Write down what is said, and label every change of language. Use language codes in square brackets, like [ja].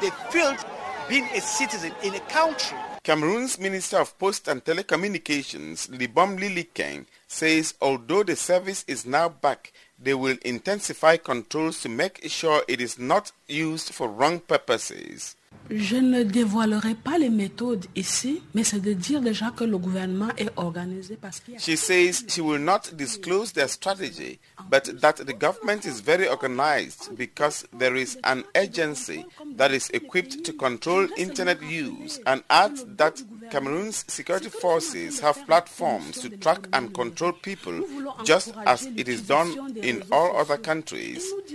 [en] They feel being a citizen in a country. Cameroon's Minister of Post and Telecommunications, Libom Lilikeng, says although the service is now back, they will intensify controls to make sure it is not used for wrong purposes. [fr] Je ne dévoilerai pas les méthodes ici, mais c'est de dire déjà que le gouvernement est organisé parce qu'il y a... [en] She says she will not disclose their strategy, but that the government is very organized because there is an agency that is equipped to control internet use, and adds that Cameroon's security forces have platforms to track and control people just as it is done in all other countries.